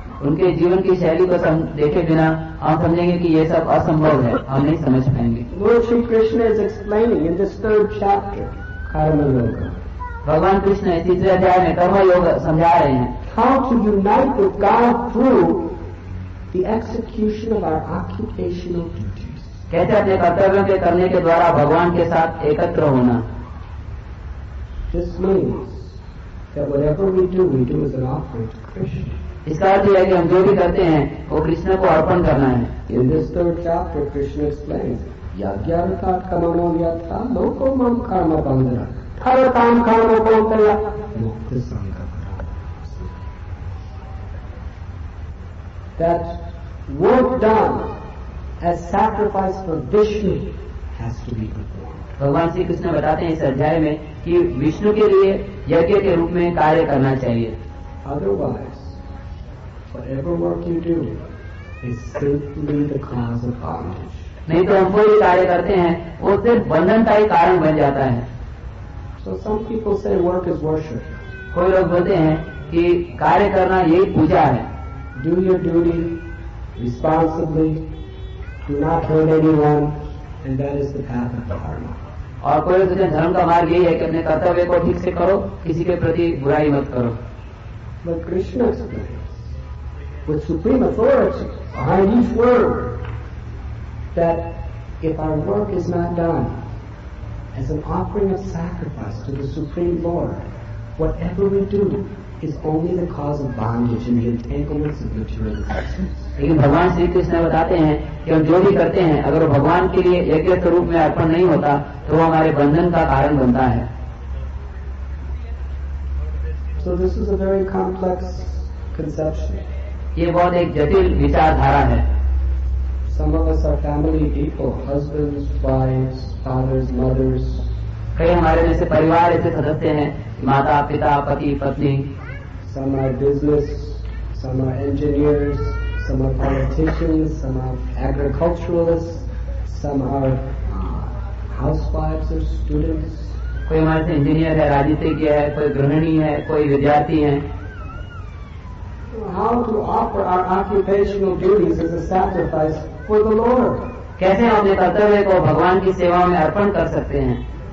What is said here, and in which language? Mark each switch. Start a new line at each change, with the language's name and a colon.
Hindi: उनके जीवन की शैली को देखे बिना हम समझेंगे कि ये सब असंभव है हम नहीं समझ पाएंगे.
English: Lord Shri Krishna is explaining in this third chapter, Karma Yoga.
Hindi: भगवान कृष्ण तीसरे अध्याय में कर्म योग समझा रहे हैं.
English: How to unite with God through the execution of our occupational duties.
Hindi: कहते अपने कर्तव्यों के करने के द्वारा भगवान के साथ एकत्र होना.
English: This means that whatever we do is an offering to Krishna.
Hindi: इसका अर्थ यह है कि हम जो भी करते हैं वो कृष्ण को अर्पण करना है.
English: In this third chapter, Krishna explains,
Sanskrit: yajñartha karmano yatha loko mam karma bandhana tharatam karma kautilya mukta sangha.
English: That work done as sacrifice for Vishnu has to be performed.
Hindi: भगवान श्री कृष्ण बताते हैं इस अध्याय में कि विष्णु के लिए यज्ञ के रूप में कार्य करना चाहिए.
English: Otherwise, whatever work you do is simply the cause of bondage.
Hindi: नहीं तो हम कोई भी कार्य करते हैं वो सिर्फ बंधन का ही कारण बन जाता है.
English: So some people say work is worship.
Hindi: कोई लोग बोलते हैं कि कार्य करना यही पूजा है.
English: Do your duty responsibly, do not hurt anyone, and that is the path of dharma.
Hindi: और कोई तुझे धर्म का मार्ग यही है कि अपने कर्तव्य को ठीक से करो किसी के प्रति बुराई मत करो.
English: But Krishna explains with supreme authority behind each word that if our work is not done as an offering of sacrifice to the Supreme Lord, whatever we do is only the cause of bondage and the entanglements of material existence.
Hindi: लेकिन भगवान श्री कृष्ण बताते हैं कि हम जो भी करते हैं अगर भगवान के लिए यज्ञ के रूप में अर्पण नहीं होता तो वो हमारे बंधन का कारण बनता है.
English: So this is a very complex conception.
Hindi: ये बहुत एक जटिल विचारधारा है.
English: Some of us are family people, husbands, wives, fathers, mothers.
Hindi: कई हमारे में से परिवार ऐसे सदस्य हैं माता पिता पति पत्नी.
English: Some are business, some are engineers, some are politicians, some are agriculturalists, some are housewives or students.
Hindi: कोई हमारे से इंजीनियर है राजनीतिज्ञ है कोई गृहिणी है कोई विद्यार्थी है.
English: How to offer our occupational duties as a sacrifice for the Lord?
Hindi: कैसे हम अपने कर्तव्य को भगवान की सेवा में अर्पण कर सकते हैं.